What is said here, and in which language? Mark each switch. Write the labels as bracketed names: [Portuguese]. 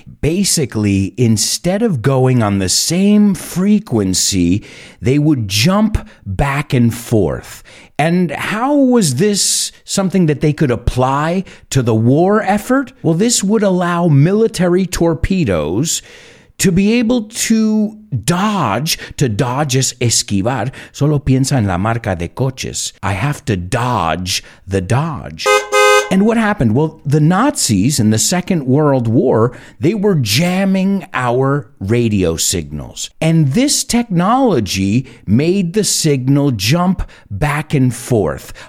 [English] Basically, instead of going on the same frequency, they would jump back and forth. And how was this something that they could apply to the war effort? Well, this would allow military torpedoes to be able to dodge, [Spanish] es esquivar. Solo piensa en la marca de coches. [English] I have to dodge the dodge. And what happened? Well, the Nazis in the Second World War, they were jamming our radio signals. And this technology made the signal jump back and forth.